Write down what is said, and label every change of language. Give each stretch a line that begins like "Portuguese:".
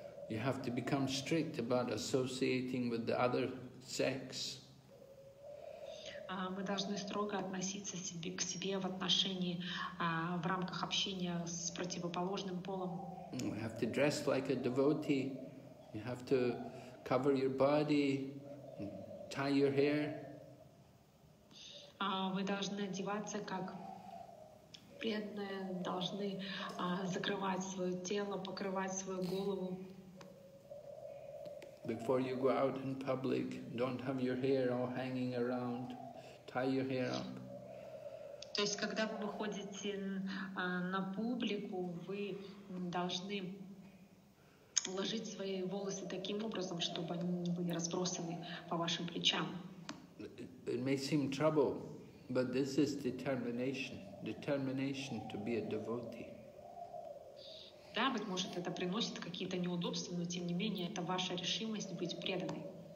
English: You have to become strict about associating with the other sex.
Russian: Мы должны строго относиться к себе в отношении, в рамках общения с противоположным полом.
English: You have to dress like a devotee. You have to cover your body, tie your hair.
Russian: Вы должны одеваться как преданные, должны закрывать свое тело, покрывать свою голову.
English: Before you go out in public, don't have your hair all hanging around. Tie your hair up.
Russian: То есть, когда вы выходите на публику, вы должны уложить свои волосы таким образом, чтобы они не были разбросаны по вашим плечам.
English: It may seem trouble, but this is determination. Determination to be a devotee.
Russian: Да, быть может, это приносит какие-то неудобства, но тем не менее, это ваша решимость быть преданной.